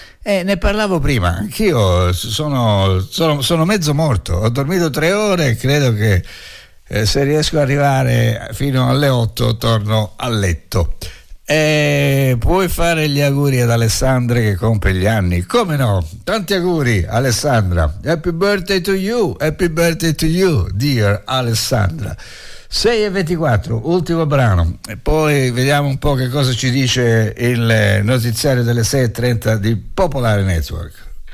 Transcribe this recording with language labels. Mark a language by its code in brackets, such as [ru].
[it] Ne parlavo prima, anch'io sono mezzo morto. Ho dormito 3 ore e credo che se riesco ad arrivare fino alle 8 torno a letto. Puoi fare gli auguri ad Alessandra che compie gli anni? Come no? Tanti auguri, Alessandra. [en] Happy birthday to you, happy birthday to you, dear Alessandra. [it] 6:24, ultimo brano, e poi vediamo un po' che cosa ci dice il notiziario delle 6:30 di Popolare Network.